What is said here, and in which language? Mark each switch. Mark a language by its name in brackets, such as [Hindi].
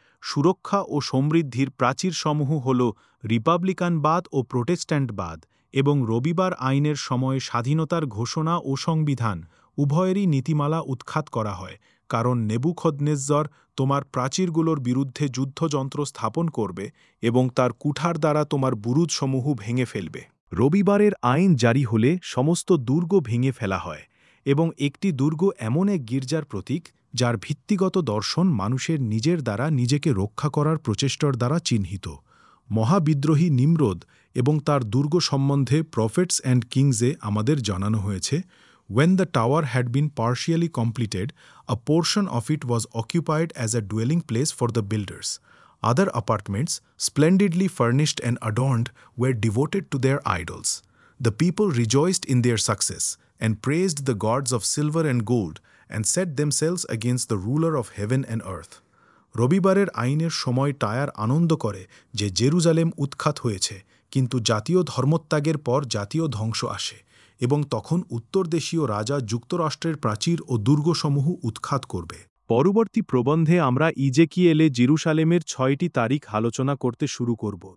[Bangla] সুরক্ষা ও সমৃদ্ধির প্রাচীরসমূহ হল রিপাবলিকানবাদ ও প্রোটেস্ট্যান্টবাদ, এবং রবিবার আইনের সময় স্বাধীনতার ঘোষণা ও সংবিধান উভয়েরই নীতিমালা উৎখাত করা হয়, কারণ নেবুখদনেজ্জর তোমার প্রাচীরগুলোর বিরুদ্ধে যুদ্ধযন্ত্র স্থাপন করবে এবং তার কুঠার দ্বারা তোমার বুরুজসমূহ ভেঙে ফেলবে। রবিবারের আইন জারি হলে সমস্ত দুর্গ ভেঙে ফেলা হয়, এবং একটি দুর্গ এমন এক গির্জার প্রতীক যার ভিত্তিগত দর্শন মানুষের নিজের দ্বারা নিজেকে রক্ষা করার প্রচেষ্টার দ্বারা চিহ্নিত। মহাবিদ্রোহী নিমরোদ এবং তার দুর্গ সম্বন্ধে প্রফেটস অ্যান্ড কিংসে আমাদের জানানো হয়েছে, [English] When the tower had been partially completed, a portion of it was occupied as a dwelling place for the builders. Other apartments, splendidly furnished and adorned, were devoted to their idols. The people rejoiced in their success and praised the gods of silver and gold and set themselves against the ruler of heaven and earth. [Bangla] রবিবারের আইনের সময় tyre আনন্দ করে যে Jerusalem উৎখাত হয়েছে, কিন্তু জাতীয় ধর্মত্যাগের পর জাতীয় ধ্বংস আসে, এবং তখন উত্তরদেশীয় রাজা যুক্তরাষ্ট্রের প্রাচীর ও দুর্গসমূহ উৎখাত করবে। পরবর্তী প্রবন্ধে আমরা ইজেকিয়েলে জেরুসালেমের 6টি তারিখ আলোচনা করতে শুরু করব।